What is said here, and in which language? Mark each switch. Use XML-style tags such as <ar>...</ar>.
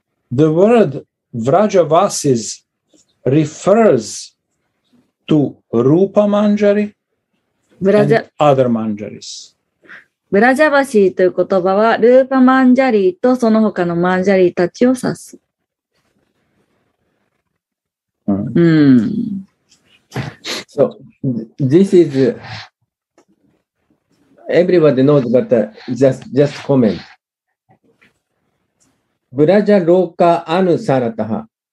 <en>The word Vrajavasis refers to Rupa Manjari and other Manjaris.</en> <ja>ブラジャバシーという言葉は、ルーパマンジャリーとその他のマンジャリーたちを指す。</ja> <en>So, this is, everybody knows, but just comment.</en> <sa>ブラジャローカアヌサラタハ。</sa>